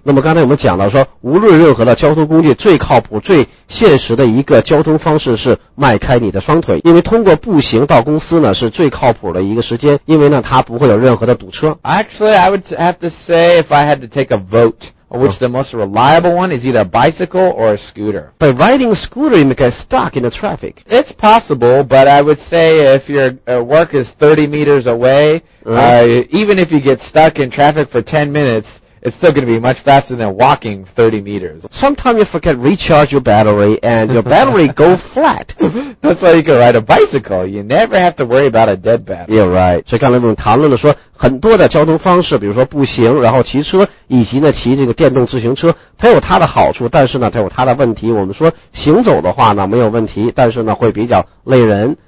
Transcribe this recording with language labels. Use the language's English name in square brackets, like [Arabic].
[Chinese] 那么刚才我们讲到说，无论任何的交通工具，最靠谱、最现实的一个交通方式是迈开你的双腿，因为通过步行到公司呢，是最靠谱的一个时间，因为呢，它不会有任何的堵车。 [English] Actually, I would have to say if I had to take a vote,Which the most reliable one is either a bicycle or a scooter. By riding a scooter, you get stuck in the traffic. It's possible, but I would say if your work is 30 meters away, even if you get stuck in traffic for 10 minutes, it's still going to be much faster than walking 30 meters. Sometimes you forget to recharge your battery, and your battery goes flat. That's why you can ride a bicycle. You never have to worry about a dead battery. Yeah, right. [Chinese] 所以刚才我们谈论了说很多的交通方式，比如说步行，然后骑车，以及呢骑这个电动自行车，它有它的好处，但是呢它有它的问题。我们说行走的话呢没有问题，但是呢会比较累人。